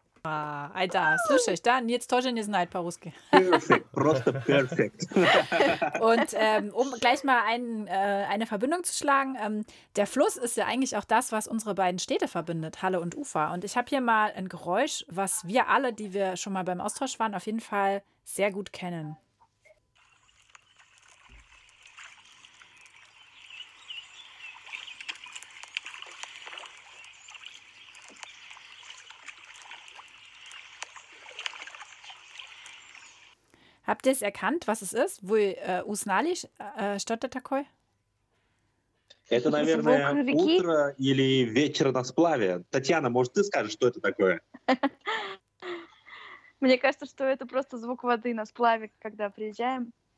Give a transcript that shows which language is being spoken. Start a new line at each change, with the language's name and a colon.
Russian: Айда, слушай, да, нет, тоже не знает по-русски. Просто perfect.
German: Und um gleich mal eine Verbindung zu schlagen, der Fluss ist ja eigentlich auch das, was unsere beiden Städte verbindet, Halle und Ufa. Und ich habe hier mal ein Geräusch, was wir alle, die wir schon mal beim Austausch waren, auf jeden Fall sehr gut kennen. Habt ihr es erkannt, was es ist?
Russian: Вы узнали, что это такое? Это, наверное, утро или вечер на сплаве. Татьяна, может, ты скажешь, что это такое? Мне кажется, что это просто звук воды на сплаве, когда приезжаем.